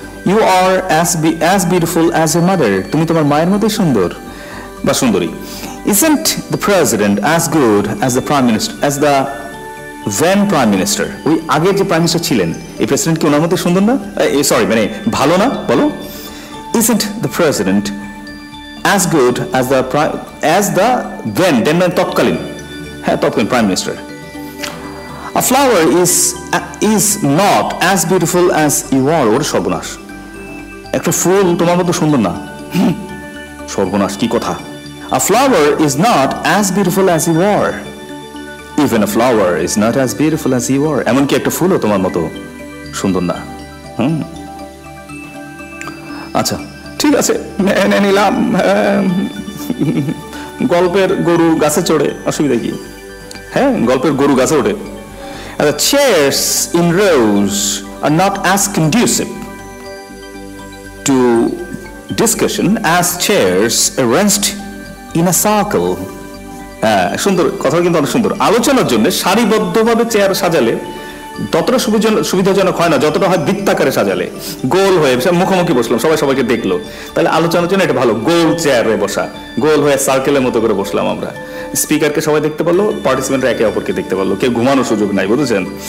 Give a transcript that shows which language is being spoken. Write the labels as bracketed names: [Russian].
[English] you are as beautiful as your mother, [Bangla] তুমি তোমার মায়ের মতোই সুন্দর বা সুন্দরী। [English] Isn't the president as good as the prime minister, as the then prime minister? [Bangla] ওই আগের যে প্রাইম মিনিস্টার ছিলেন, এই প্রেসিডেন্ট কি ওনার মতো সুন্দর না, সরি মানে ভালো না বলো? [English] Isn't the president as good as the prime, as the then, then [Bangla] মানে তৎকালীন, হ্যাঁ তৎকালীন [English] Prime minister. A flower is not as beautiful as you are, [Bangla] ওর সর্বনাশ, একটা ফুল তোমার মতো সুন্দর না, সর্বনাশ কি কথা। [English] A flower is not as beautiful as you are. Even a flower is not as beautiful as you are. [Bangla] এমনকি একটা ফুলও তোমার মতো সুন্দর না। আচ্ছা ঠিক আছে, নে নিলাম, গল্পের গরু গাছে চড়ে, অসুবিধা কি? হ্যাঁ, গল্পের গরু গাছে ওঠে। [English] আচ্ছা, chairs in rows are not as conducive to discussion as chairs arranged in a circle. [Bangla] সুন্দর কথা, কিন্তু অনেক সুন্দর। আলোচনার জন্য সারিবদ্ধভাবে চেয়ার সাজালে ততটা সুবিধাজনক হয় না যতটা হয় বৃত্তাকারে সাজালে, গোল হয়ে সব মুখোমুখি বসলাম, সবাই সবাইকে দেখলো, তাহলে আলোচনার জন্য এটা ভালো, গোল চেয়ারে বসা, গোল হয়ে সার্কেলের মতো করে বসলাম আমরা, স্পিকারকে সবাই দেখতে পারলো, পার্টিসিপেন্টরা একে অপরকে দেখতে পারলো, কেউ ঘুমানোর সুযোগ নাই, বুঝেছেন?